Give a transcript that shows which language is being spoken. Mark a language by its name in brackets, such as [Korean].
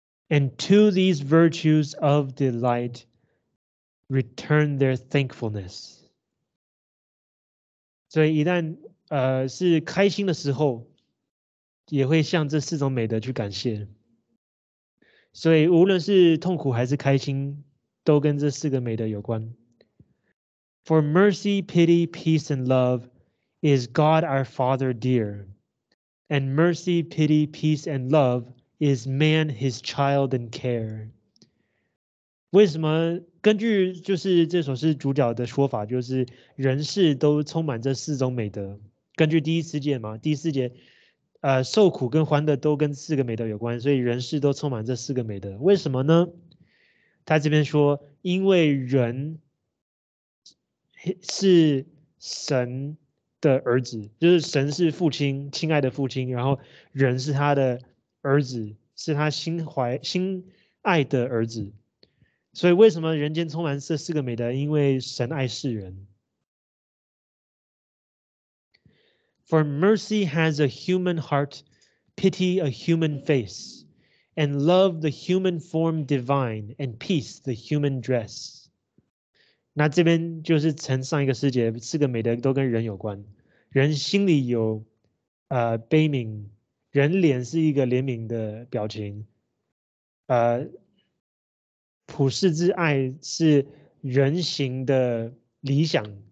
[English] And to these virtues of delight return their thankfulness。 [Chinese] 所以一旦是开心的时候，也会向这四种美德去感谢。所以无论是痛苦还是开心，都跟这四个美德有关。 [English] For mercy, pity, peace and love is God our Father dear, and mercy, pity, peace and love is man his child and care。 [Chinese] 为什么根据就是这首诗主角的说法，就是人世都充满这四种美德，根据第一次节嘛，第四节受苦跟欢乐都跟四个美德有关，所以人世都充满这四个美德。为什么呢？他这边说，因为人是神的儿子，就是神是父亲，亲爱的父亲，然后人是他的儿子，是他心爱的儿子。所以为什么人间充满这四个美德？因为神爱世人。 [English] For mercy has a human heart, pity a human face, and love the human form divine, and peace the human dress。 [Chinese] 那这边就是承上一个世界，四个美德都跟人有关。人心里有悲悯，人脸是一个怜悯的表情，普世之爱是人形的理想。